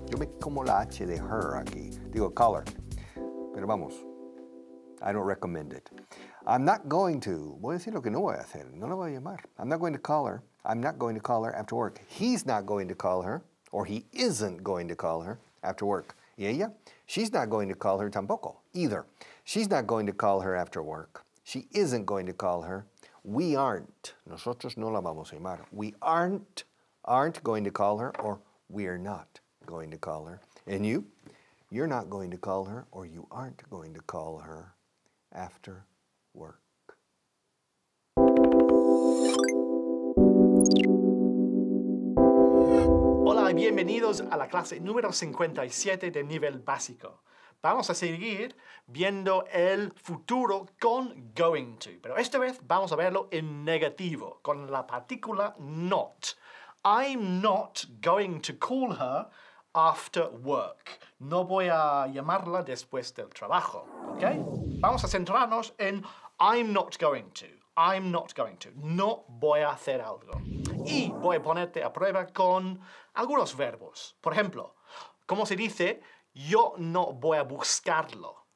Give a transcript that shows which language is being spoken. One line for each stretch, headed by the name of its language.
Spanish: Yo me como la H de her aquí. Digo,
English: call her.
Spanish: Pero vamos.
English: I don't recommend it. I'm not going to.
Spanish: Voy a decir lo que no voy a hacer. No la voy a llamar.
English: I'm not going to call her. I'm not going to call her after work. He's not going to call her, or he isn't going to call her after work.
Spanish: ¿Y ella?
English: She's not going to call her
Spanish: tampoco,
English: either. She's not going to call her after work. She isn't going to call her. We aren't.
Spanish: Nosotros no la vamos a llamar.
English: We aren't going to call her, or we're not going to call her. And you? You're not going to call her, or you aren't going to call her after work.
Spanish: Hola y bienvenidos a la clase número 57 de nivel básico. Vamos a seguir viendo el futuro con going to, pero esta vez vamos a verlo en negativo, con la partícula not.
English: I'm not going to call her after work.
Spanish: No voy a llamarla después del trabajo, ¿ok? Vamos a centrarnos en
English: I'm not going to. I'm not going to.
Spanish: No voy a hacer algo. Y voy a ponerte a prueba con algunos verbos. Por ejemplo, ¿cómo se dice yo no voy a buscarlo?